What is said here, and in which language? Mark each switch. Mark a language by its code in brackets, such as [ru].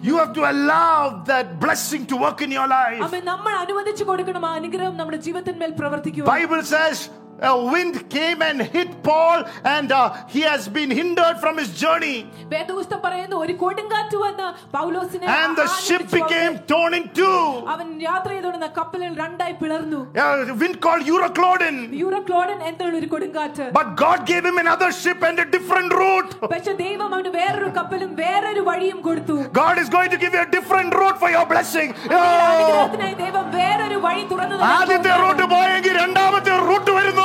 [en] You have to allow that blessing to work in your life. Amen. [ml] നമ്മൾ അനുവദിച്ചു കൊടുക്കണം ആ അനുഗ്രഹം നമ്മുടെ ജീവിതത്തിന്മേൽ പ്രവർത്തിക്കുവാൻ. [en] Bible says a wind came and hit Paul and he has been hindered from his journey. [ml] വേദപുസ്തകം പറയുന്നു ഒരു കൊടുങ്കാറ്റ് വന്ന് പൗലോസിനെ, [en] and the ship became torn in two. [ml] അവൻ യാത്ര ചെയ്തുകൊണ്ടിരുന്ന കപ്പലിൽ രണ്ടായി പിളർന്നു. [en] A wind called Euroclodon. [ml] Euroclodon എന്നുള്ള ഒരു കൊടുങ്കാറ്റ്. [en] But God gave him another ship and a different route. [ml] പക്ഷേ ദൈവം അവന് വേറൊരു കപ്പലും വേറൊരു വഴിയും കൊടുത്തു. [en] God is going to give you a different route for your blessing. [ml] അതിനായി ദൈവം വേറൊരു വഴി തുറന്നു. ആദ്യത്തെ റൂട്ട് പോയെങ്കിൽ രണ്ടാമത്തെ റൂട്ട് വരുന്നു.